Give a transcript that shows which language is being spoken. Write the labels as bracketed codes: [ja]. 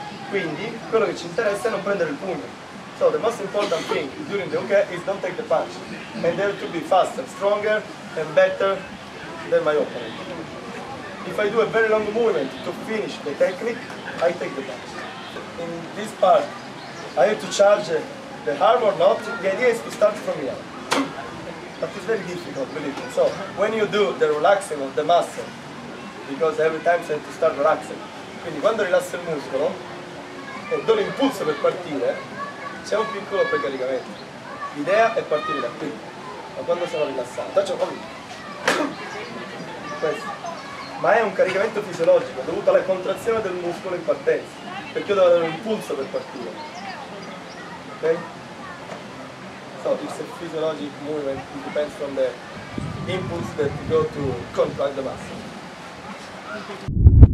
[it] Quindi, quello che ci interessa è non prendere il pugno. [en] So, the most important thing during the hook is don't take the punch. And there to be faster, stronger, and better than my opponent. If I do a very long movement to finish the technique, I take the punch. In this part, I have to charge the harm or not. The idea is to start from here. But it's very difficult, believe me. So when you do the relaxing of the muscle, because every time you have to start relaxing, [it] quindi quando rilassi il muscolo e do l'impulso per partire, c'è un piccolo precaricamento. L'idea è partire da qui, ma quando sono rilassato, faccio così. Questo. Ma è un caricamento fisiologico dovuto alla contrazione del muscolo in partenza, perché io devo dare un impulso per partire. Ok? [en] So, it's a physiologic movement, it depends from the impulse that you go to contract the muscle.